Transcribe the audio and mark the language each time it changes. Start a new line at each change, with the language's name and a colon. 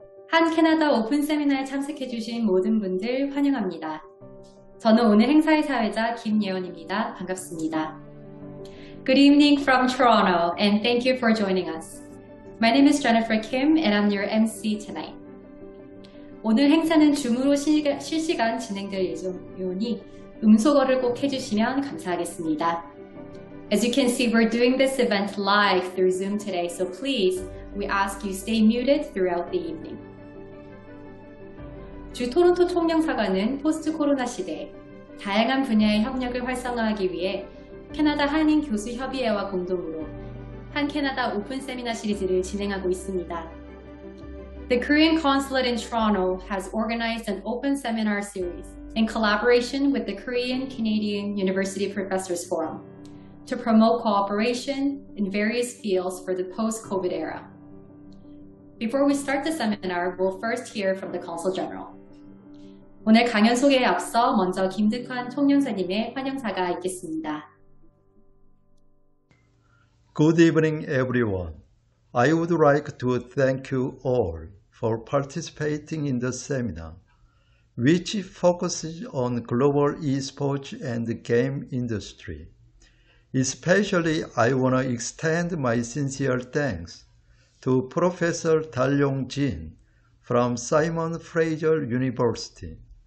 Korean: 한 캐나다 오픈 세미나에 참석해 주신 모든 분들 환영합니다. 저는 오늘 행사의 사회자 김예원입니다. 반갑습니다.
English: Good evening from Toronto and thank you for joining us. My name is Jennifer Kim and I'm your MC tonight.
Korean: 오늘 행사는 줌으로 실시간 진행될 예정이오니 음소거를 꼭 해주시면 감사하겠습니다.
English: As you can see, we're doing this event live through Zoom today, so please, we ask you stay muted throughout the evening.
Korean: 주 토론토 총영사관은 포스트 코로나 시대에 다양한 분야의 협력을 활성화하기 위해 캐나다 한인 교수 협의회와 공동으로 한 캐나다 오픈 세미나 시리즈를 진행하고 있습니다.
English: The Korean Consulate in Toronto has organized an open seminar series in collaboration with the Korean Canadian University Professors Forum to promote cooperation in various fields for the post-COVID era. Before we start the seminar, we'll first hear from the Consul General.
Korean: 오늘 강연 소개에 앞서 먼저 김득환 총영사님의 환영사가 있겠습니다.
English: Good evening, everyone. I would like to thank you all for participating in the seminar, which focuses on global eSports and game industry. Especially, I want to extend my sincere thanks to Professor Dal Yong Jin from Simon Fraser University.